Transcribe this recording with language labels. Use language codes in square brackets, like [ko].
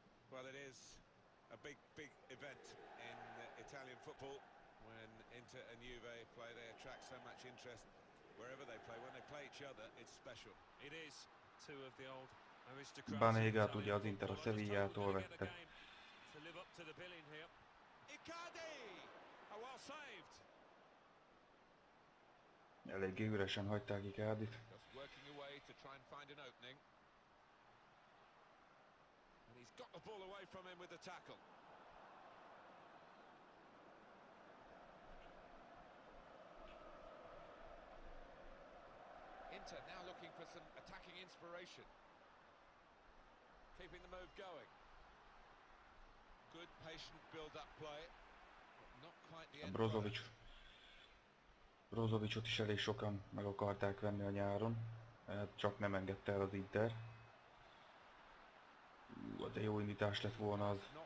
[en] Well, it is a big, big event in Italian football when Inter and Juve play. They attract so much interest wherever they play. When they play each other, it's special. It is two of the old aristocrats. [hu] Banega, ugye az Inter a Sevillától vette. [en] to live up to the billing here. Icardi! Oh, well saved. [hu] Eléggé üresen hagyták Icardit. [en] Just working away to try and find an opening. And he's got the ball away from him with the tackle. Inter now looking for some attacking inspiration. Keeping the move going. Good patient build-up play. Not quite the end. [hu] Brozovicot is elég sokan meg akarták venni a nyáron, csak nem engedte el az Inter. De jó indítás lett volna az.